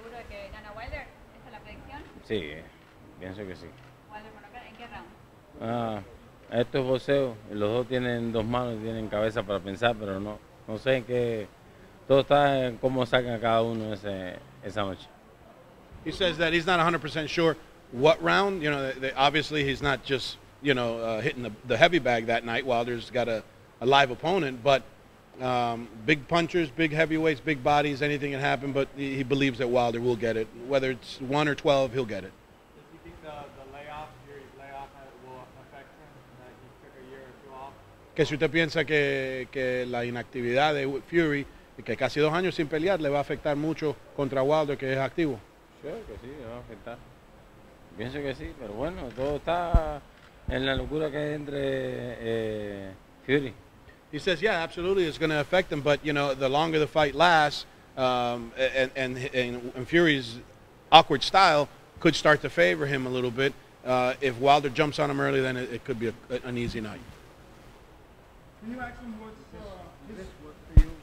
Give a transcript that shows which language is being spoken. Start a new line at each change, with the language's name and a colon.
Spanish: Entonces, ¿estás seguro de que gana Wilder? ¿Esa es la predicción? Sí, pienso que sí. ¿Wilder, en qué round? Esto es boxeo, los dos tienen dos manos y tienen cabeza para pensar, pero no sé en qué. Todo está en cómo sacan cada uno esa noche.
English: He says that he's not 100% sure. What round? You know, obviously he's not just, you know, hitting the heavy bag that night. Wilder's got a live opponent, but big punchers, big heavyweights, big bodies, anything can happen, but he believes that Wilder will get it. Whether it's 1 or 12, he'll get it. Does he think the layoff, Fury's layoff, will affect him, that he took a year or two off?
Spanish: ¿Que si usted piensa que la inactividad de Fury, que casi dos años sin pelear, le va a afectar mucho contra Wilder, que es activo? Sí, que sí, le va a afectar. Pienso que sí, pero bueno, todo está en la locura que hay entre Fury.
English: He says, yeah, absolutely, it's going to affect him. But, you know, the longer the fight lasts, and Fury's awkward style could start to favor him a little bit. If Wilder jumps on him early, then it could be an easy night. Can you ask him what's this work for you?